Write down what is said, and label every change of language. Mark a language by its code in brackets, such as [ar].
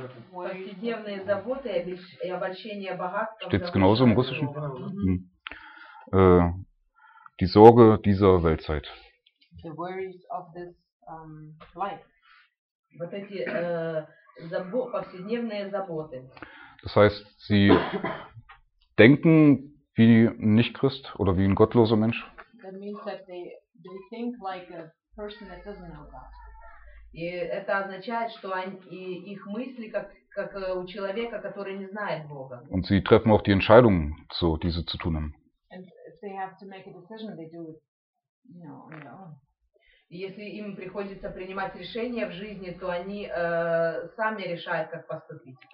[ru] Повседневные заботы и обольщение богатства. [de] Steht's genauso im Russischen? Die Sorge dieser Weltzeit. [en] The worries of this life. [ru] Вот эти повседневные заботы. [de] Das heißt, sie denken wie ein Nichtchrist oder wie ein gottloser Mensch. [en] That means that they think like a person that doesn't know God. [ru] И это означает, что они, их мысли как у человека, который не знает Бога. [de] Und sie treffen auch die Entscheidung, so diese zu tun. [en] And if they have to make a decision, they do it, on their own. [ru] И если им приходится принимать решения в жизни, то они сами решают, как поступить.